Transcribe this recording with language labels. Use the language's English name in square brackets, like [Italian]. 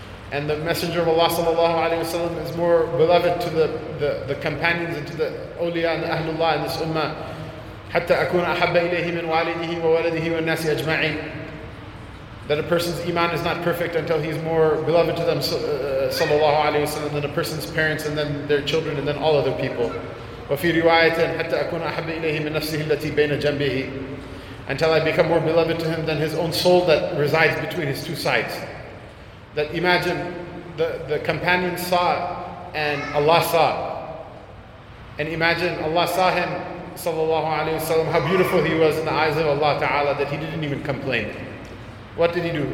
[English] And the Messenger of Allah sallallahu alayhi wa sallam is more beloved to the companions and to the awliya and the ahlullah in this ummah. [Arabic] حَتَّى أَكُونَ أَحَبَّ إِلَيْهِ مِنْ وَالِدِهِ وَوَلَدِهِ وَالنَّاسِ أَجْمَعِينَ. [English] That a person's iman is not perfect until he's more beloved to them, sallallahu alayhi wa sallam, than a person's parents and then their children and then all other people. [Arabic] وفي رواية حتى أكون أحب إليه من نفسه التي بين جنبه. [English] Until I become more beloved to him than his own soul that resides between his two sides. That imagine the companion saw it and Allah saw it. And imagine Allah saw him, sallallahu alayhi wa sallam, how beautiful he was in the eyes of Allah Ta'ala, that he didn't even complain. What did he do?